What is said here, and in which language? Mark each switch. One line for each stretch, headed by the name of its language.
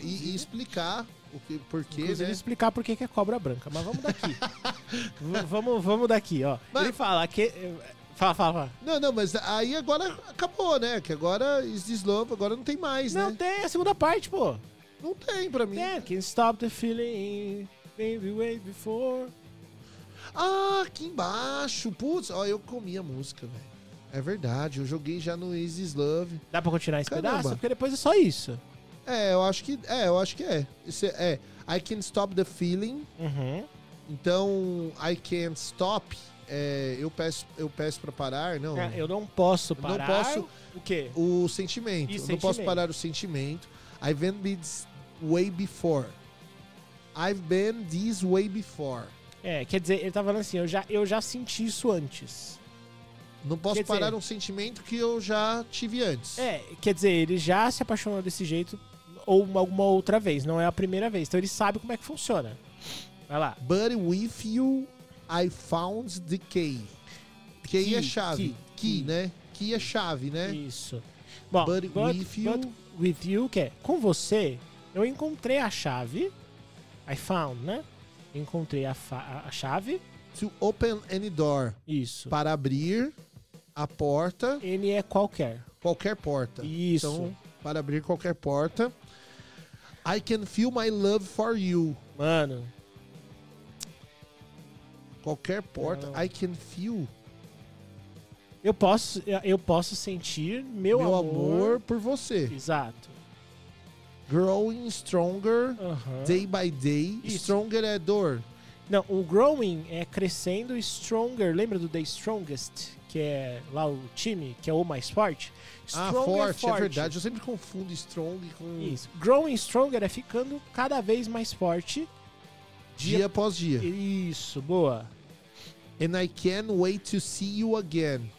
Portuguese: E explicar o que, porquê, né? Inclusive explicar por que é cobra branca, mas vamos daqui. vamos daqui, ó. Mas... Ele fala que... Fala. Não, mas aí agora acabou, né? Que agora
English: is this love,
Portuguese: agora não tem mais, não, né? Não tem, a segunda parte, pô. Não tem pra mim.
English: Yeah, can't stop the feeling, baby, way before...
Portuguese: Ah, aqui embaixo, putz. Ó, eu comi a música, velho. É verdade, eu joguei já no Is This Love. Dá pra continuar esse Caramba. Pedaço? Porque depois é só isso. Eu acho que é. Isso é I Can't Stop The Feeling. Uhum. Então, I Can't Stop, eu peço pra parar, não. É, eu não posso parar. Não posso. O quê? O sentimento. Não posso parar o sentimento.
English: I've been this way before. I've been this way before.
Portuguese: É, quer dizer, ele tá falando assim, eu já senti isso antes. Não posso parar um sentimento que eu já tive antes. É, quer dizer, ele já se apaixonou desse jeito ou alguma outra vez, não é a primeira vez. Então ele sabe como é que funciona. Vai lá.
English: But with you, I found the key.
Portuguese: Key é chave. Key, né? Key é chave, né? Isso. Bom,
English: but with you,
Portuguese: que é com você, eu encontrei a chave.
English: I found,
Portuguese: né? Encontrei a chave.
English: To open any door.
Portuguese: Isso. Para abrir a porta. N é qualquer. Qualquer porta. Isso. Então, para abrir qualquer porta.
English: I can feel my love for you.
Portuguese: Mano. Qualquer porta. Não.
English: I can feel.
Portuguese: Eu posso sentir meu amor por você. Exato.
English: Growing stronger, uh-huh, day by day.
Portuguese: Isso. Stronger é dor. Não, o growing é crescendo, stronger. Lembra do The Strongest, que é lá o time, que é o mais forte? Stronger, forte. É verdade. Eu sempre confundo strong com... Isso. Growing stronger é ficando cada vez mais forte. Dia após dia. Isso, boa.
English: And I can't wait to see you again.